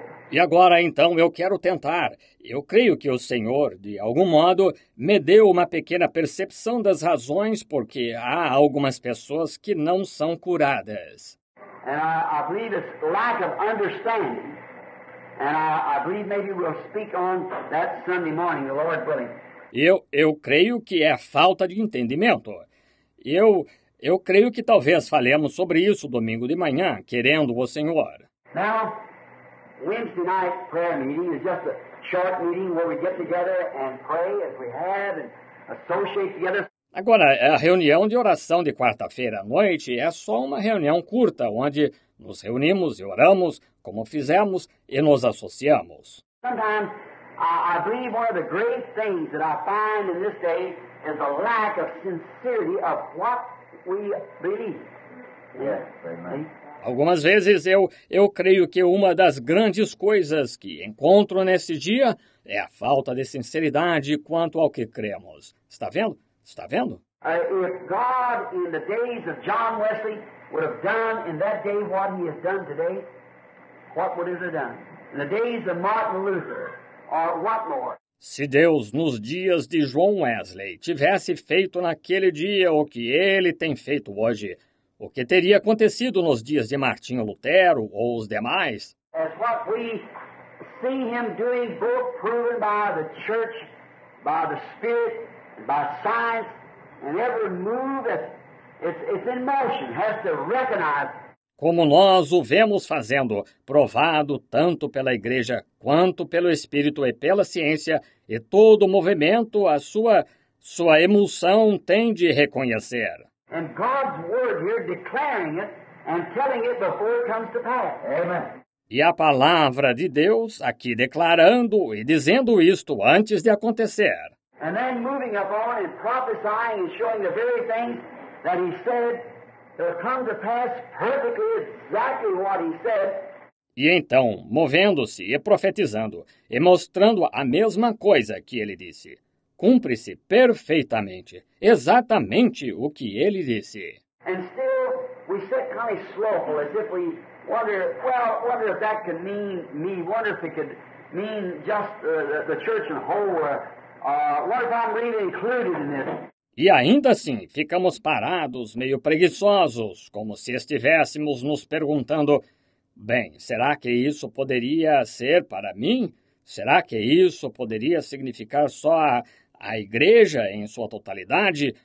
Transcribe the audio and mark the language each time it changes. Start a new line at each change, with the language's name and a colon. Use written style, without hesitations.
Portuguese: E agora, então, eu quero tentar. Eu creio que o Senhor, de algum modo, me deu uma pequena percepção das razões porque há algumas pessoas que não são curadas.
English: And I believe it's lack of understanding. And I believe maybe we'll speak on that Sunday morning, the Lord willing.
Portuguese: Eu creio que é falta de entendimento. Eu creio que talvez falemos sobre isso domingo de manhã, querendo o Senhor.
English: Now, Wednesday night prayer meeting is just a short meeting where we get together and pray as we have and associate together.
Portuguese: Agora, a reunião de oração de quarta-feira à noite é só uma reunião curta, onde nos reunimos e oramos, como fizemos, e nos associamos.
English: Sometimes I believe one of the great things that I find in this day is the lack of sincerity of what we believe. Yes, amen.
Portuguese: Algumas vezes eu creio que uma das grandes coisas que encontro nesse dia é a falta de sinceridade quanto ao que cremos. Está vendo? Está vendo?
English: If God in the days of John Wesley would have done in that day what he has done today, what would it have done? In the days of Martin Luther, or what more?
Portuguese: Se Deus nos dias de John Wesley tivesse feito naquele dia o que ele tem feito hoje, o que teria acontecido nos dias de Martinho Lutero ou os demais?
English: As what we see him doing, both proven by the church, by the spirit, by science, and every move it's in motion, has to recognize.
Portuguese: Como nós o vemos fazendo, provado tanto pela igreja quanto pelo espírito e pela ciência, e todo movimento, a sua emulsão tem de reconhecer.
English: And God's word here declaring it and telling it before it comes to pass. Amen.
Portuguese: E a palavra de Deus aqui declarando e dizendo isto antes de acontecer.
English: And then moving upon and prophesying and showing the very things that he said will come to pass perfectly exactly what he said.
Portuguese: E então, movendo-se e profetizando e mostrando a mesma coisa que ele disse. Cumpre-se perfeitamente, exatamente o que ele disse.
English: And still we sit kind of slowful, as if we wonder, well, wonder if that could mean me, wonder if it could mean just the church in whole, what if I'm really included in this?
Portuguese: E ainda assim, ficamos parados, meio preguiçosos, como se estivéssemos nos perguntando, bem, será que isso poderia ser para mim? Será que isso poderia significar só a igreja em sua totalidade?